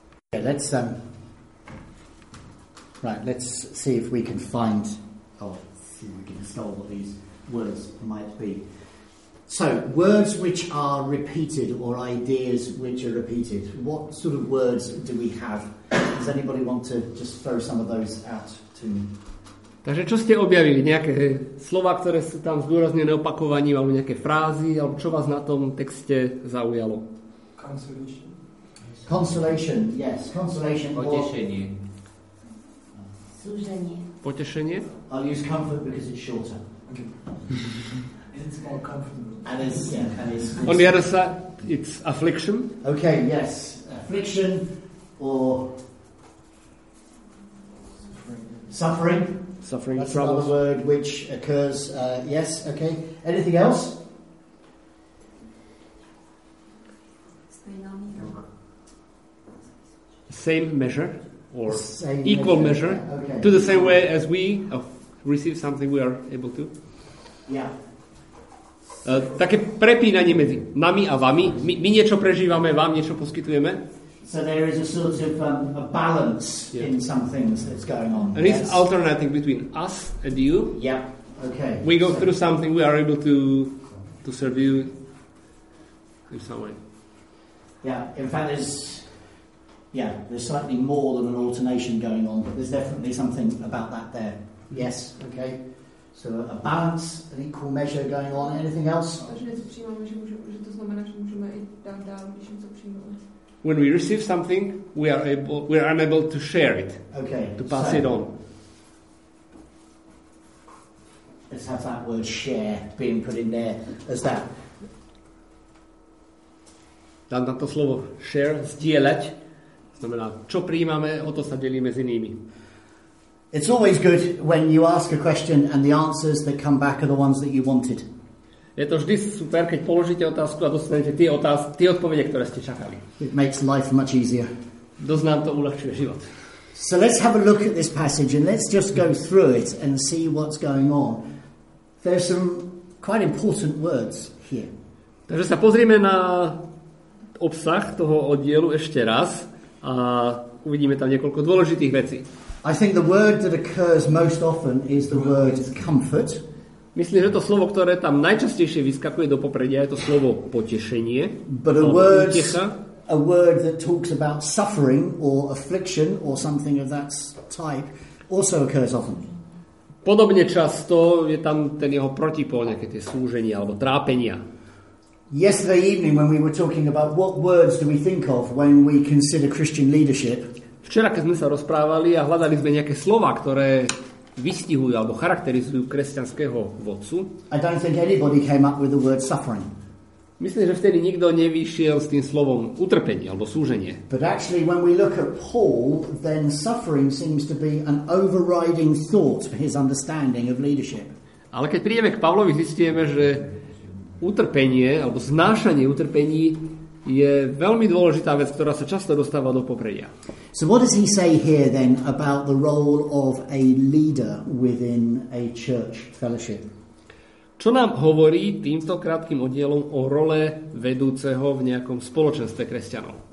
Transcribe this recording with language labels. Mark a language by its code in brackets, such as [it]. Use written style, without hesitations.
[en] Okay, let's right, let's see if we can find or see if we can install what these words might be. So, words which are repeated or ideas which are repeated. What sort of words do we have? Does anybody want to just throw some of those out to me? [sk] Takže čo ste objavili? Nejaké slova, ktoré sú tam zdôraznené opakovaním, alebo nejaké frázy, alebo čo vás na tom texte zaujalo? [en] Consolation, yes. Consolation. [sk] Potešenie. Súženie. Potešenie. [en] I'll use comfort because it's shorter. Okay. It's more comfortable. And it's on the other side, it's affliction. Okay, yes. Affliction or suffering. Suffering. That's troubles. Another word which occurs. Yes, okay. Anything else? Same measure or same equal measure, okay. To the same way as we receive something we are able to. Yeah. [sk] Také prepínanie medzi nami a vami. My niečo prežívame, vám niečo poskytujeme. [en] So there is a sort of a balance, yeah, in some things that's going on. And yes, it's alternating between us and you. Yeah, okay. We go through something, we are able to serve you in some way. Yeah, in fact there's slightly more than an alternation going on. There's definitely something about that there. Yes, okay. So a balance, an equal measure going on. Anything else? When we receive something, we are unable to share it. Okay. To pass it on. Let's have that word share being put in there as that. [sk] Dám tam to slovo share, zdieľať. Znamená, čo prijímame, o to sa delíme s inými. [en] It's always good when you ask a question and the answers that come back are the ones that you wanted. [sk] Je to vždy super, keď položíte otázku a dostanete tie odpovede, ktoré ste čakali. [en] It makes life much easier. [sk] Dosť nám to uľahčuje život. [en] So let's have a look at this passage and let's just go through it and see what's going on. There's some quite important words here. [sk] Takže sa pozrieme na obsah toho oddielu ešte raz a uvidíme tam niekoľko dôležitých vecí. [en] I think the word that occurs most often is the word comfort. [sk] Myslím, že to slovo, ktoré tam najčastejšie vyskakuje do popredia, je to slovo potešenie. [en] But a word that talks about suffering or affliction or something of that type also occurs often. [sk] Podobne často je tam ten jeho protipol, nejaké tie súženia alebo trápenia. [en] Yesterday evening when we were talking about what words do we think of when we consider Christian leadership. [sk] Včera, keď sme sa rozprávali a hľadali sme nejaké slova, ktoré vystihujú alebo charakterizujú kresťanského vodcu. [en] I don't think anybody came up with the word suffering. [sk] Myslím, že vtedy nikto nevyšiel s tým slovom utrpenie alebo súženie. [en] But actually when we look at Paul, then suffering seems to be an overriding thought for his understanding of leadership. [sk] Ale keď prídeme k Pavlovi, zistíme, že utrpenie alebo znášanie utrpení je veľmi dôležitá vec, ktorá sa často dostáva do popredia. [en] So what does he say here then about the role of a leader within a church fellowship? [sk] Čo nám hovorí týmto krátkym oddielom o role vedúceho v nejakom spoločenstve kresťanov?